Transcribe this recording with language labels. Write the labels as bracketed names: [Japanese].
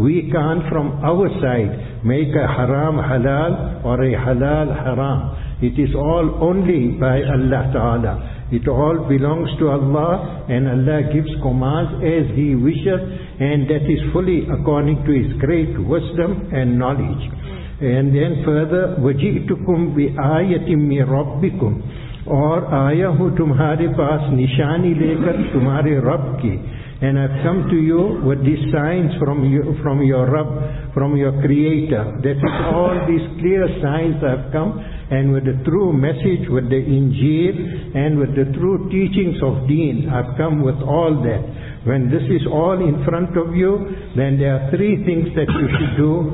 [English] We can't from our side make a haram halal or a halal haram. It is all only by Allah Ta'ala. It all belongs to Allah, and Allah gives commands as He wishes, and that is fully according to His great wisdom and knowledge. And then further, [Arabic] وَجِئْتُكُمْ بِآيَةٍ مِّن رَبِّكُمْ, [Urdu] اور آیا ہوں تمہارے پاس نشانی لے کر تمہارے رب کی. [English] And I've come to you with these signs from your Rabb, from your Creator. That is all these clear signs have come, and with the true message, with the Injil, and with the true teachings of Deen, I've come with all that. When this is all in front of you, then there are three things that you should do.